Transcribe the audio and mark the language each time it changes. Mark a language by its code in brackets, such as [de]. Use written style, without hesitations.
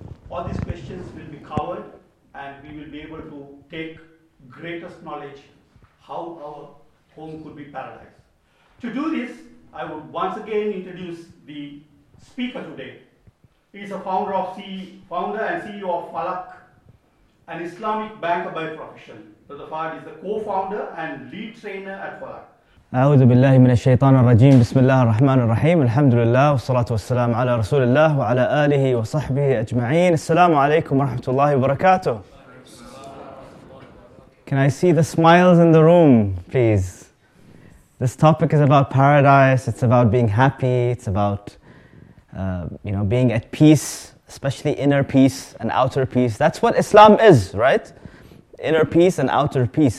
[en] All these questions will be covered, and we will be able to take greatest knowledge how our home could be paradise. To do this, I would once again introduce the speaker today. He is a founder and CEO of Falak, an Islamic banker by profession. Brother Fahd is the co-founder and lead trainer at Falak. [ar] أعوذ بالله من الشيطان الرجيم بسم الله الرحمن الرحيم الحمد لله والصلاة والسلام على رسول الله وعلى آله وصحبه أجمعين السلام عليكم ورحمة الله وبركاته. [en] Can I see the smiles in the room, please? This topic is about paradise. It's about being happy. It's about being at peace, especially inner peace and outer peace. That's what Islam is, right? Inner peace and outer peace.